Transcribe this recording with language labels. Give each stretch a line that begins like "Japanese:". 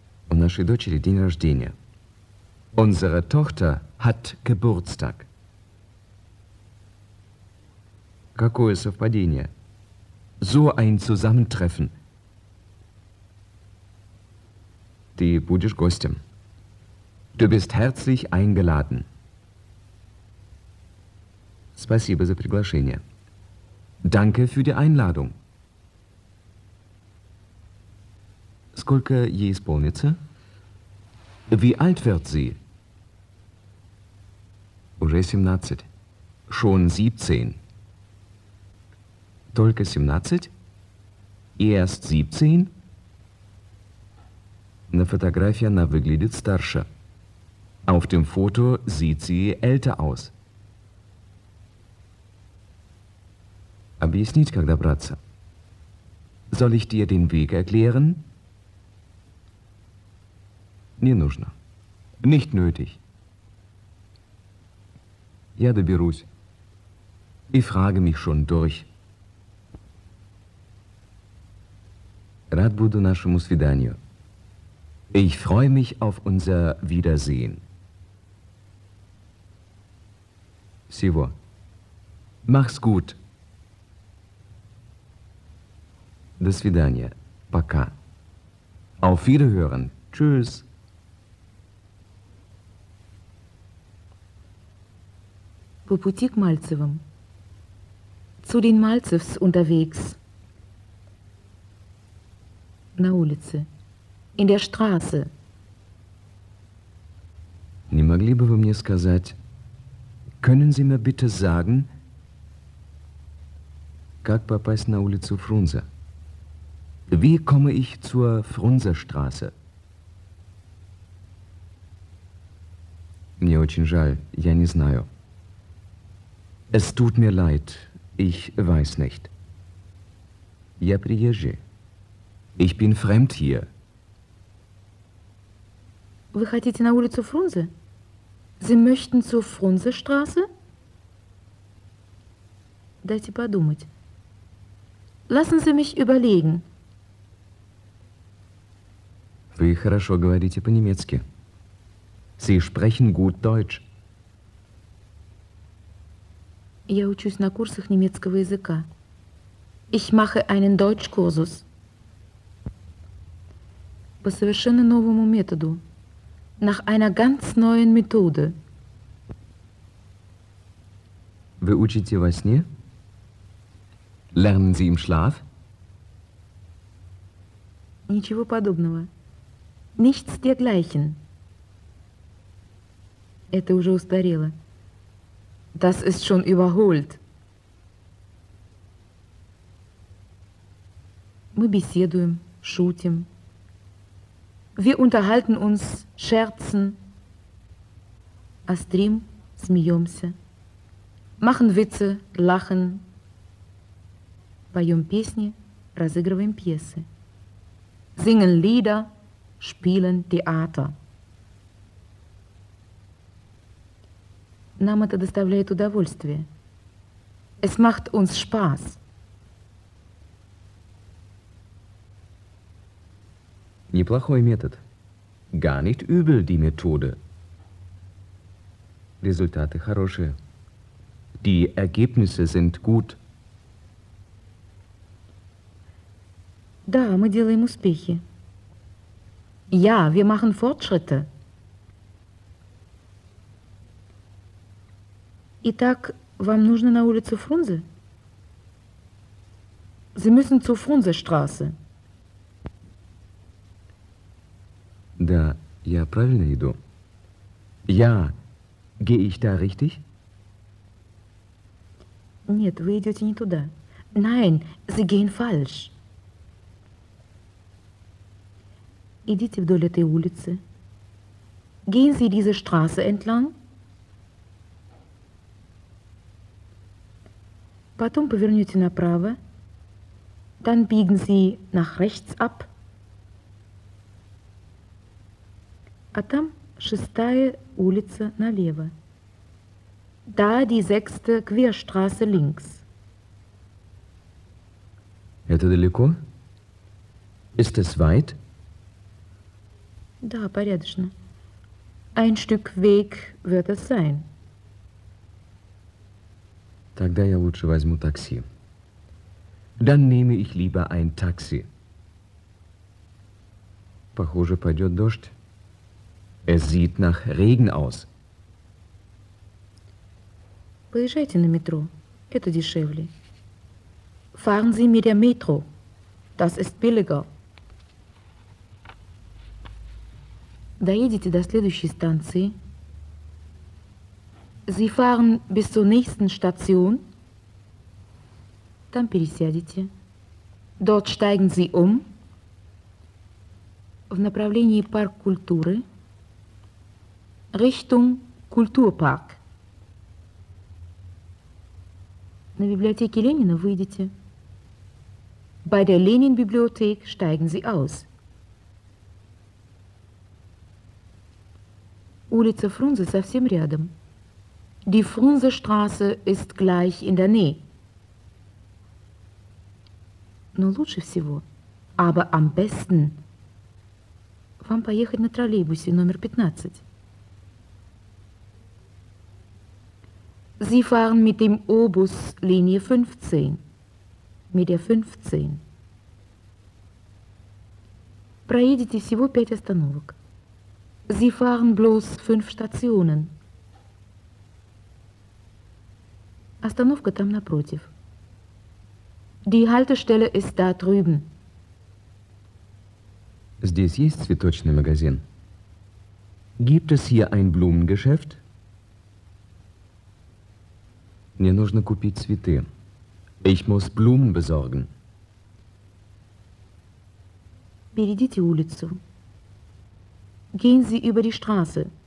Russian: У нашей дочери день рождения.
German: Unsere Tochter hat Geburtstag.
Russian: Какое совпадение?
German: So ein Zusammentreffen.
Russian: Ты будешь гостем.
German: Du bist herzlich eingeladen.
Russian: Спасибо за приглашение.
German: Danke für die Einladung.
Russian: Сколько ей исполнится?
German: Wie alt wird sie?
Russian: Уже 17.
German: Schon 17.
Russian: Только 17?
German: Erst 17?
Russian: На фотографии она выглядит старше.
German: Auf dem Foto sieht sie älter aus.
Russian: Объяснить, как добраться?
German: Soll ich dir den Weg erklären?
Russian: Не нужно.
German: Nicht nötig.
Russian: Я доберусь.
German: Ich frage mich schon durch.
Russian: Рад буду нашему свиданию.
German: Ich freue mich auf unser Wiedersehen.
Russian: Всего.
German: Mach's gut.
Russian: До свидания. Пока.
German: Auf Wiederhören. Tschüss.
Russian: По пути к Мальцевым.
German: Zu den Malzews unterwegs.
Russian: На улице.
German: In der Straße.
Russian: Не могли бы вы мне сказать,
German: können Sie mir bitte sagen,
Russian: как попасть на улицу Фрунзе?
German: Wie komme ich zur Frunzerstraße?
Russian: Мне очень жаль, я не знаю.
German: Es tut mir leid, ich weiß nicht.
Russian: Я приезжий.
German: Ich bin fremd hier.
Russian: Вы хотите на улицу Фрунзе?
German: Sie möchten zur Frunzestraße?
Russian: Дайте подумать.
German: Lassen Sie mich überlegen.
Russian: Вы хорошо говорите по-немецки.
German: Sie sprechen gut Deutsch.
Russian: Я учусь на курсах немецкого языка.
German: Ich mache einen Deutschkursus.
Russian: По совершенно новому методу.
German: Nach einer ganz neuen Methode.
Russian: Вы учите во сне?
German: Lernen Sie im Schlaf?
Russian: Ничего подобного.
German: Nichts dergleichen.
Russian: Это уже устарело.
German: Das ist schon überholt.
Russian: Мы беседуем, шутим.
German: Wir unterhalten uns, scherzen.
Russian: Острим, смеемся.
German: Machen Witze, lachen.
Russian: Поем песни, разыгрываем пьесы.
German: Singen Lieder, spielen Theater.
Russian: Нам это доставляет удовольствие.
German: Es macht uns Spaß.
Russian: Неплохой метод.
German: Gar nicht übel, die Methode. Resultate
Russian: хорошие.
German: Die Ergebnisse sind gut.
Russian: Да, мы делаем успехи.
German: Ja, wir machen Fortschritte.
Russian: Итак, вам нужно на улицу Фрунзе?
German: Sie müssen zur Фрунзе-Straße.
Russian: Да, я правильно иду.
German: Ja, gehe ich da richtig?
Russian: Нет, вы идете не туда.
German: Nein, Sie gehen falsch.
Russian: Идите вдоль этой улицы.
German: Gehen Sie diese Straße entlang.
Russian: Потом повернете направо.
German: Dann biegen Sie nach rechts ab.
Russian: А там шестая улица налево.
German: Da die sechste Querstraße links.
Russian: Это далеко?
German: Ist es weit?
Russian: Да, порядочно.
German: Ein Stück Weg wird es sein.
Russian: Тогда я лучше возьму такси.
German: Dann nehme ich lieber ein Taxi.
Russian: Похоже, пойдет дождь.
German: Es sieht nach Regen aus.
Russian: Поезжайте на метро. Это дешевле.
German: Fahren Sie mit der Metro. Das ist billiger.
Russian: Доедете до следующей станции.
German: Sie fahren bis zur nächsten Station.
Russian: Там пересядете.
German: Dort steigen Sie um.
Russian: В направлении Парк культуры.
German: Richtung Kulturpark.
Russian: На библиотеке Ленина выйдете.
German: Bei der Lenin-Bibliothek steigen Sie aus.
Russian: Улица Фрунзе совсем рядом.
German: Die Frunze-Straße ist gleich in der Nähe.
Russian: Но лучше всего,
German: aber am besten,
Russian: вам поехать на троллейбусе номер 15.
German: Sie fahren mit dem O-Bus Linie 15. Mit der 15.
Russian: Проедете всего 5 остановок.
German: Sie fahren bloß 5 Stationen.
Russian: Остановка там напротив.
German: Die Haltestelle ist da drüben.
Russian: Здесь есть цветочный магазин?
German: Gibt es hier ein Blumengeschäft?
Russian: Мне нужно купить цветы.
German: Ich muss Blumen besorgen.
Russian: Перейдите улицу.
German: Gehen Sie über die Straße.